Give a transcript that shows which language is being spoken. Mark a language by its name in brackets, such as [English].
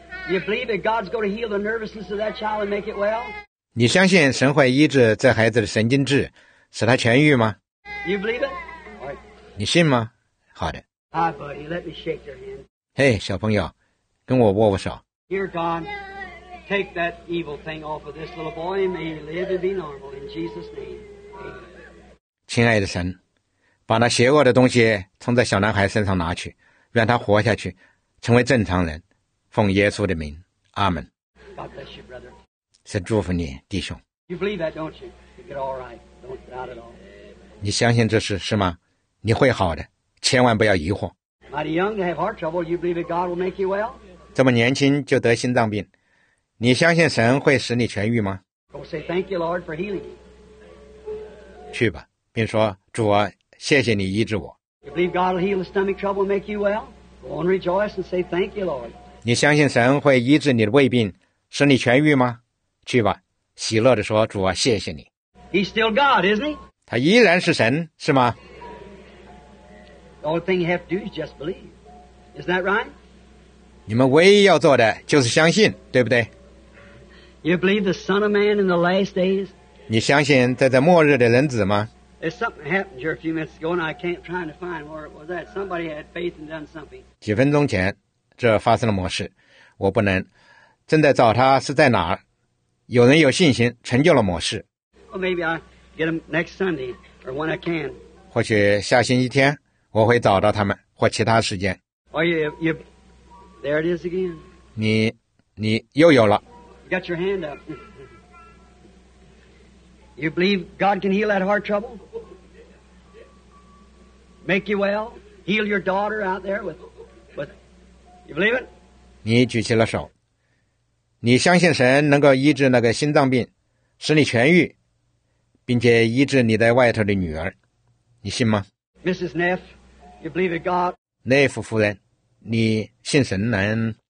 [English] You believe that God's going to heal the nervousness of that child and make it well? [Chinese] 你相信神会医治这孩子的神经质，使他痊愈吗 [English] ？You believe it? All right. [Chinese] 你信吗？好的。 [English] Hi, buddy. Let me shake your hand. [Chinese] Hey, 小朋友，跟我握握手。 [English] Here, God, take that evil thing off of this little boy. May he live and be normal in Jesus' name. Amen. [Chinese] 亲爱的神。把那邪恶的东西从在小男孩身上拿去，让他活下去，成为正常人。奉耶稣的名，阿门。 [English] God bless you, brother. [Chinese] 神祝福你，弟兄。 [English] You believe that, don't you? You get all right. Don't doubt it all. [Chinese] 你相信这事是吗？你会好的，千万不要疑惑。 [English] Mighty young to have heart trouble, you believe that God will make you well? [Chinese] 这么年轻就得心脏病，你相信神会使你痊愈吗 [English] ？Go say thank you, Lord, for healing. [Chinese] 去吧，并说主啊。谢谢你医治我。 [English] You believe God will heal the stomach trouble and make you well? Go on, rejoice and say thank you, Lord. [Chinese] 你相信神会医治你的胃病，使你痊愈吗？去吧，喜乐地说，主啊，谢谢你。 [English] He's still God, isn't he? [Chinese] 他依然是神，是吗 [English] ？The only thing you have to do is just believe. Isn't that right? [Chinese] 你们唯一要做的就是相信，对不对 [English] ？You believe the Son of Man in the last days? [Chinese] 你相信在末日的人子吗？ [English] There's something happened here a few minutes ago, and I can't trying to find where it was at. Somebody had faith and done something. [Chinese] 几分钟前，这发生了某事，我不能。正在找他是在哪儿？有人有信心成就了某事。 [English] Well, maybe I get them next Sunday or when I can. [Chinese] 或许下星期天我会找到他们，或其他时间。 [English] Oh, you, there it is again. [Chinese] 你又有了。 [English] Got your hand up. You believe God can heal that heart trouble? Make you well? heal your daughter out there with you believe it? [Chinese] 你举起了手。你相信神能够医治那个心脏病，使你痊愈，并且医治你在外头的女儿，你信吗 [English] ？Mrs. Neff, you believe in God? [Chinese] Neff 夫人，你信神能